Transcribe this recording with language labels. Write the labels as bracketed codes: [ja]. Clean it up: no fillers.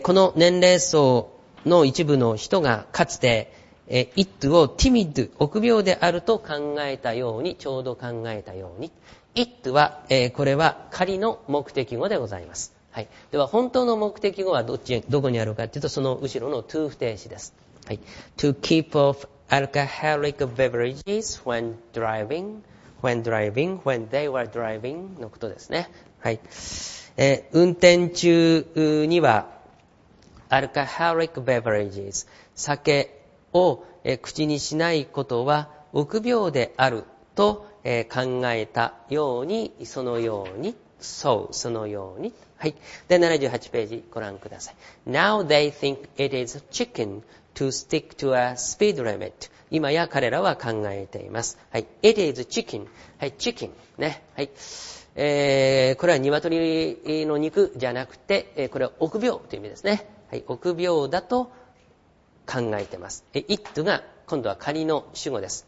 [ja] この年齢層の一部の人がかつて、it を timid、 臆病であると考えたように、ちょうど考えたように、 it は、これは仮の目的語でございます。はい、では本当の目的語はどこにあるかというと、その後ろの to 不定詞です。はい、 [en] to keep off alcoholic beverages when driving、 when driving、 when they were driving [ja] のことですね。はい、運転中にはアルカハリックベブレージズ、酒を口にしないことは臆病であると、考えたようにそのようにそうそのようにはい。で78ページご覧ください。 [en] Now they think it is chicken to stick to a speed limit. [ja] 今や彼らは考えています。はい。 [en] It is chicken. はい。Chicken [ja] ね。はい。これは鶏の肉じゃなくて、これは臆病という意味ですね。はい。臆病だと考えています。It が今度は仮の主語です。